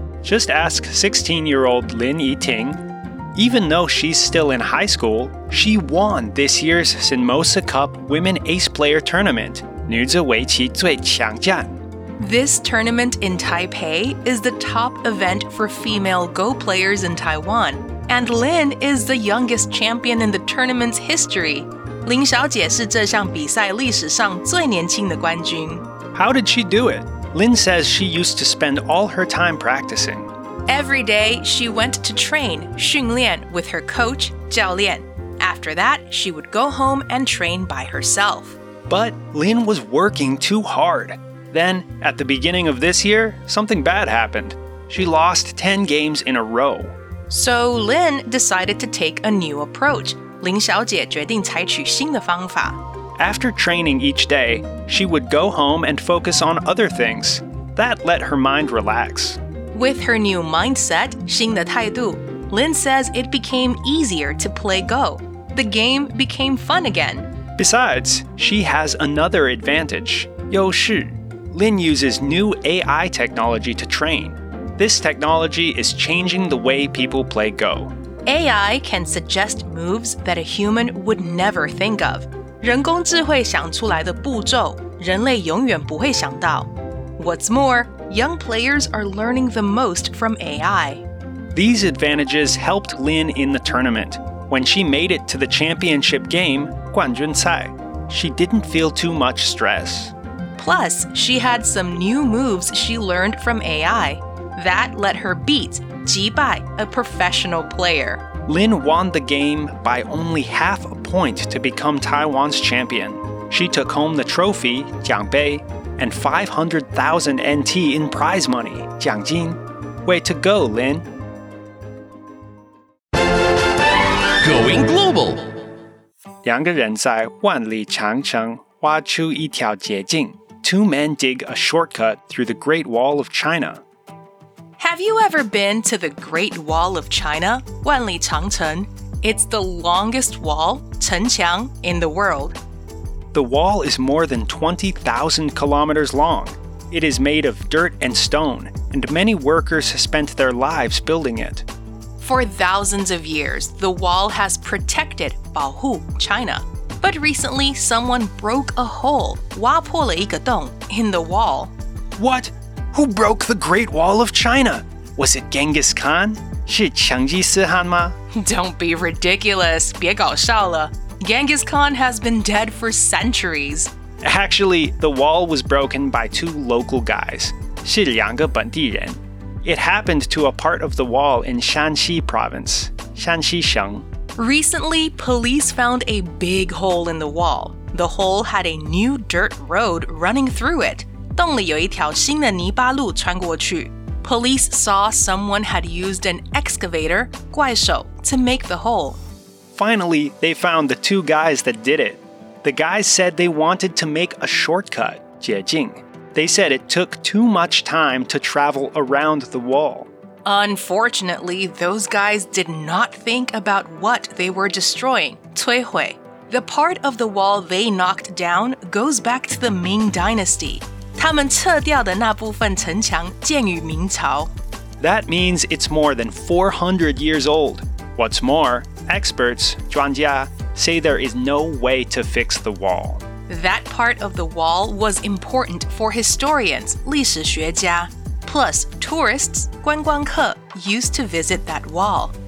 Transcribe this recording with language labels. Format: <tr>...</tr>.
<en>Just ask 16-year-old Lin Yi-ting. Even though she's still in high school, she won this year's Synmosa Cup Women Ace Player Tournament, 女子圍棋最強戰。 This tournament in Taipei is the top event for female Go players in Taiwan, and Lin is the youngest champion in the tournament's history.</en> <zh>林小姐是這項比賽歷史上最年輕的冠軍。</zh> <en>How did she do it? Lin says she used to spend all her time practicing. Every day, she went to train, 訓練, with her coach, 教練. After that, she would go home and train by herself. But Lin was working too hard. Then, at the beginning of this year, something bad happened. She lost 10 games in a row. So Lin decided to take a new approach.</en> <zh>林小姐决定采取新的方法。</zh> <en>After training each day, she would go home and focus on other things. That let her mind relax. With her new mindset,</en> <zh>新的态度,</zh> <en>Lin says it became easier to play Go. The game became fun again. Besides, she has another advantage. 优势。 Lin uses new AI technology to train. This technology is changing the way people play Go. AI can suggest moves that a human would never think of.</en> <zh>人工智慧想出来的步骤,人类永远不会想到。</zh> <en>What's more, young players are learning the most from AI. These advantages helped Lin in the tournament. When she made it to the championship game, 冠军赛, she didn't feel too much stress. Plus, she had some new moves she learned from AI. That let her beat, 击败, a professional player. Lin won the game by only half a point to become Taiwan's champion. She took home the trophy, 奖杯, and 500,000 NT in prize money, 奖金. Way to go, Lin. Going global.</en> <zh>两个人在万里长城挖出一条捷径。</zh> <en>Two men dig a shortcut through the Great Wall of China. Have you ever been to the Great Wall of China, 万里长城? It's the longest wall, 城墙, in the world. The wall is more than 20,000 kilometers long. It is made of dirt and stone, and many workers spent their lives building it. For thousands of years, the wall has protected 保护, China. But recently, someone broke a hole,</en> <zh>挖破了一个洞,</zh> <en>in the wall. What? Who broke the Great Wall of China? Was it Genghis Khan?</en> <zh>是成吉思汗吗?</zh> <en>Don't be ridiculous,</en> <zh>别搞笑了.</zh> <en>Genghis Khan has been dead for centuries. Actually, the wall was broken by two local guys,</en> <zh>是两个本地人.</zh> <en>It happened to a part of the wall in Shanxi province, 山西省。 Recently, police found a big hole in the wall. The hole had a new dirt road running through it.</en> <zh>洞里有一条新的泥巴路穿过去。</zh> <en>Police saw someone had used an excavator, 怪手, to make the hole. Finally, they found the two guys that did it. The guys said they wanted to make a shortcut, 捷径. They said it took too much time to travel around the wall. Unfortunately, those guys did not think about what they were destroying, 摧毁. The part of the wall they knocked down goes back to the Ming Dynasty.</en> <zh>他们撤掉的那部分城墙建于明朝。</zh> <en>That means it's more than 400 years old. What's more, experts, 专家, say there is no way to fix the wall. That part of the wall was important for historians, 历史学家。 Plus, tourists, 观光客, used to visit that wall.</en>